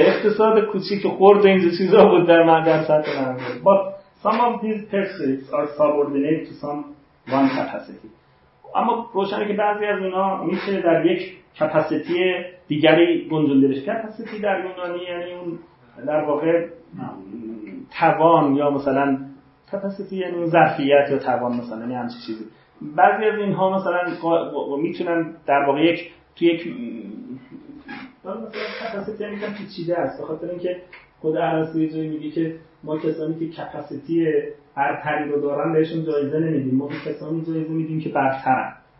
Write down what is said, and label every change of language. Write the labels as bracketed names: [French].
[Persian] اقتصاد کوچیک خرد این چیزا بود در من در سطح منزل. [English] But some of these pursuits are subordinate to some one capacity. [Persian] اما روشنه که بعضی از اونا میشه در یک کپاسیتی دیگری گنجوندهش. کپاسیتی در یونانی یعنی اون در واقع توان یا مثلا کپاسیتی یعنی اون ظرفیت یا توان مثلا یعنی همچی چیزی. بعضی از اینها مثلا میتونن در واقع یک توی یک مثلا کپاسیتی هم میگن پیچیده است بخاطر اینکه خود ارسطو یه جایی میگه که ما کسانی که کپاسیتی هر پری رو دارن بهشون جایزه نمیدیم ما به کسانی جایزه میدیم که برترن